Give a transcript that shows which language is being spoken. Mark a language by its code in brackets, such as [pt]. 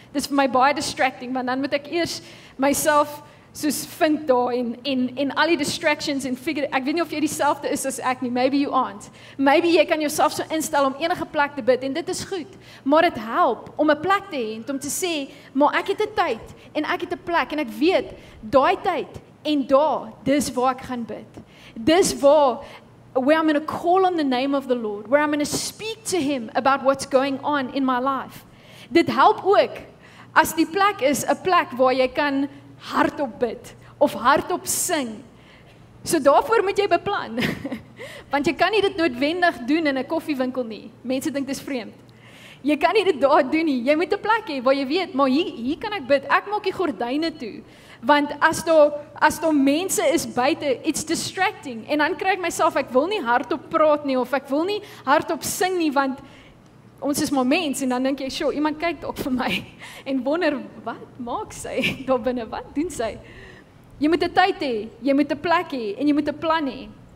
[af] Dis vir my baie distracting, want dan moet ek eers myself soos vind daar en al die distractions en figure, ek weet nie of jy dieselfde is as ek nie, [en] maybe you aren't. [af] Maybe jy kan jouself so instel om enige plek te bid en dit is goed, maar dit help om 'n plek te hê en om te sê, maar ek het 'n tyd en ek het 'n plek en ek weet, daai tyd en daar, dis waar ek gaan bid. Dis waar, [en] where I'm going to call on the name of the Lord, where I'm going to speak to Him about what's going on in my life. [af] Dit help ook, as die plek is, 'n plek waar jy kan hardop bid, of hardop sing. So daarvoor moet jy beplan. Want jy kan nie dit noodwendig doen in 'n koffiewinkel nie. Mense dink dis vreemd. Jy kan nie dit daar doen nie. Jy moet 'n plek hê waar jy weet, maar hier kan ek bid. Ek maak die gordyne toe. Want as daar mense is buite, [en] it's distracting. [af] En dan kry ek myself, ek wil nie hardop praat nie, of ek wil nie hardop sing nie, want ons is maar mens, en dan dink jy, sjoe, iemand kyk dalk vir my, en wonder, wat maak sy daar binne, wat doen sy? Jy moet 'n tyd hê, jy moet 'n plek hê, en jy moet 'n plan hê.